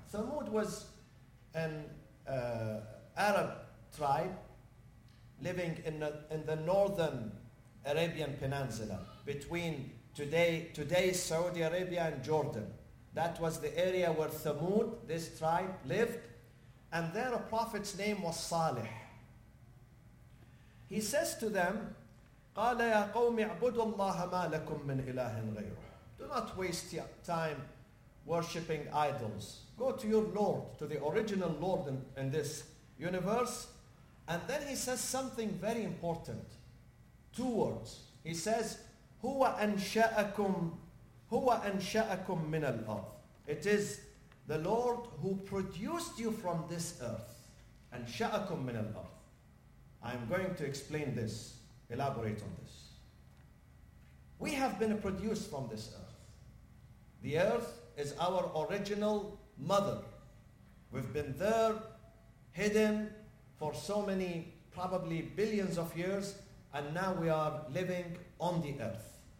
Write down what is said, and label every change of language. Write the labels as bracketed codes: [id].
[en] Thamud was an Arab tribe living in the northern Arabian Peninsula. between today's Saudi Arabia and Jordan. That was the area where Thamud, this tribe, lived. And there a prophet's name was Salih. He says to them, [ar] قَالَ يَا قَوْمِ اعْبُدُوا اللَّهَ مَا لَكُمْ مِنْ إِلَهٍ غَيْرُهُ. [en] Do not waste your time worshipping idols. Go to your Lord, to the original Lord in this universe. And then he says something very important. Two words. He says, [ar] هُوَ أَنْشَأَكُمْ مِنَ الْأَرْضِ. [en] It is the Lord who produced you from this earth. [ar] أَنْشَأَكُمْ مِنَ الْأَرْضِ. [en] I am going to explain this, elaborate on this. We have been produced from this earth. The earth is our original mother. We've been there, hidden for so many, probably billions of years, and now we are living on the earth.